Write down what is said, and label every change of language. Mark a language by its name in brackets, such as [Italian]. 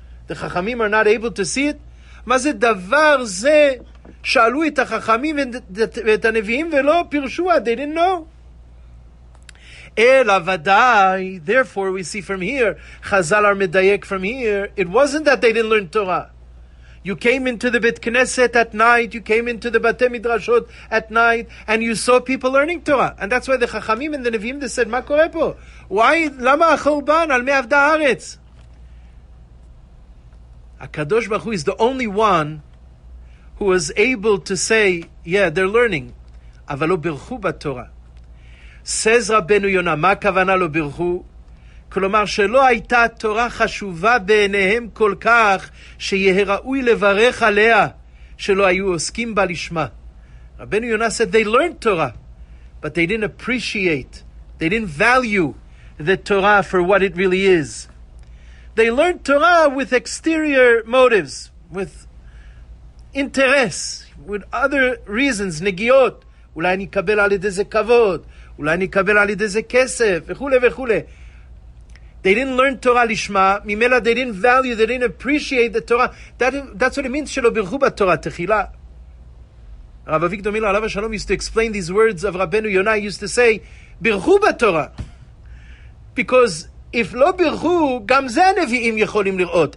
[English] The Chachamim are not able to see it? [Hebrew] מה זה דבר זה שאלו את החכמים ואת הנביאים ולא פירשו? [English] They didn't know. [Hebrew] Ela vadai. [English] Therefore, we see from here, Chazal are medayek from here. It wasn't that they didn't learn Torah. You came into the Bet Knesset at night, you came into the Batei Midrashot at night, and you saw people learning Torah. And that's why the Chachamim and the Nevi'im, they said, Ma kore po? Why? Lama ha-churban? [Hebrew] Al mei avda haaretz? [English] HaKadosh Baruch Hu is the only one who was able to say, yeah, they're learning. [Hebrew] Aval lo birchu ba-Torah. [English] Says Rabbeinu Yonah, [Hebrew] Ma kavana lo birchu? כלומר, שלא הייתה תורה חשובה בעיניהם כל כך, שיהיה ראוי לברך עליה, שלא היו עוסקים בה לשמה. [English] רבנו יונה said, they learned Torah, but they didn't appreciate, they didn't value the Torah for what it really is. They learned Torah with exterior motives, with interest, with other reasons, נגיעות, [Hebrew] אולי אני אקבל על ידי זה כבוד, אולי אני אקבל על ידי זה כסף, וכו' וכו'. [English] They didn't learn Torah lishma. Mimela, they didn't value, they didn't appreciate the Torah. That's what it means, shelo birchu ba-Torah techila. Rav Avigdor Miller, alav ha-shalom, used to explain these words of Rabbeinu Yonah. He used to say, birchu ba-Torah. Because if [Hebrew] lo birchu, gam ze nevi'im yecholim lir'ot.